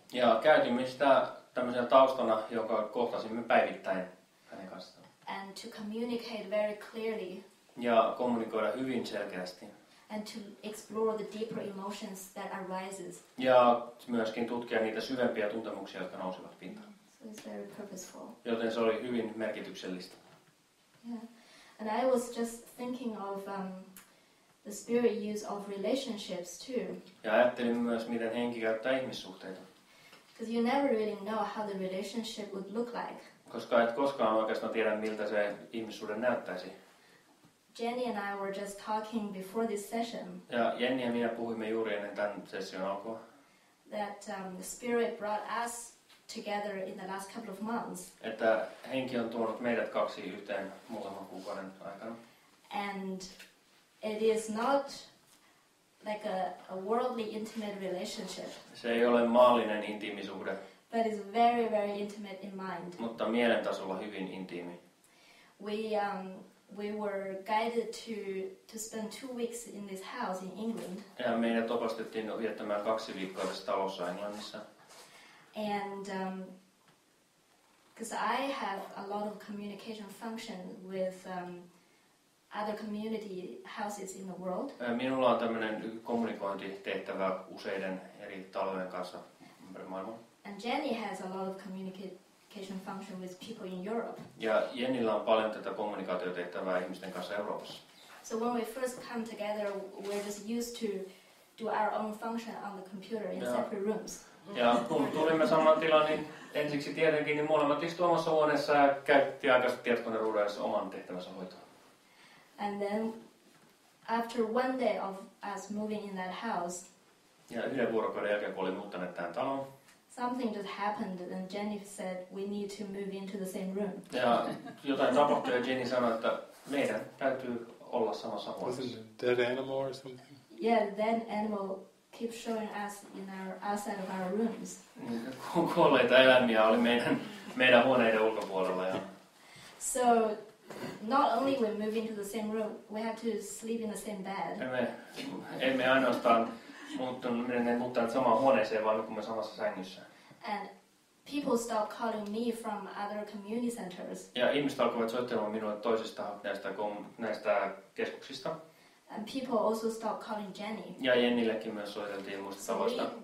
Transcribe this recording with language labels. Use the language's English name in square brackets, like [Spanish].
[Finnish] Ja käytimme sitä tämmöisenä taustana, joka kohtasimme päivittäin hänen kanssaan. [English] And to communicate very clearly. [Finnish] Ja kommunikoida hyvin selkeästi. [English] And to explore the deeper emotions that arises. [Finnish] Ja myöskin tutkia niitä syvempiä tuntemuksia, jotka nousevat pintaan. [English] So it's very purposeful. [Finnish] Joten se oli hyvin merkityksellistä. Yeah. [English] And I was just thinking of the spirit use of relationships too. [Finnish] Ja ajattelin myös, miten henki käyttää ihmissuhteita. [English] Because you never really know how the relationship would look like. [Finnish] Koska et koskaan oikeastaan tiedä, miltä se ihmissuhde näyttäisi. [English] Jenny and I were just talking before this session. [Finnish] Ja Jenny ja minä puhuimme juuri ennen tämän session alkoa. [English] That the spirit brought us together in the last couple of months. [Finnish] Että henki on tuonut meidät kaksi yhteen muutaman kuukauden aikana. [English] And it is not like a worldly intimate relationship. [Finnish] Se ei ole maallinen intiimisuhde. [English] But it's very very intimate in mind. [Finnish] Mutta mielen tasolla hyvin intiimi. [English] We were guided to spend 2 weeks in this house in England. [Finnish] Ja meidät opastettiin viettämään kaksi viikkoa tässä talossa Englannissa. [English] And because I have a lot of communication function with other community houses in the world. [Finnish] Minulla on tämmöinen kommunikointitehtävä useiden eri talojen kanssa ympäri maailmaa. [English] And Jenny has a lot of communication function with people in Europe. [Finnish] Ja Jennillä on paljon tätä kommunikaatiotehtävää ihmisten kanssa Euroopassa. [English] So when we first come together, we're just used to do our own function on the computer in separate rooms. [Finnish] Ja kun tulimme saman tilaan, niin ensiksi tietenkin niin molemmat istuivat omassa huoneessa ja käytti aikaisemmin tietokoneruudessa oman tehtävänsä hoitoon. [English] And then after one day of us moving in that house. [Finnish] Ja yhden vuorokauden jälkeen, kun olin muuttanut tähän taloon. [English] Something just happened and Jenny said we need to move into the same room. [Finnish] Ja jotain tapahtui ja Jenny sanoi, että meidän täytyy olla samassa huoneessa. [English] Was it a dead animal or something? Yeah, then animal keep showing us in our outside of our rooms. [Finnish] Kuolleita eläimiä oli meidän huoneiden ulkopuolella ja. [English] So not only we move into the same room, we have to sleep in the same bed. [Finnish] Emme ainoastaan muuttanut samaan huoneeseen, vaan nukumme samassa sängyssä. [English] And people stop calling me from other community centers. [Finnish] Ja ihmiset alkoivat soittelemaan minulle toisista näistä keskuksista. [English] And people also stop calling Jenny. [Finnish] Ja Jennillekin myös soiteltiin muista tavoista.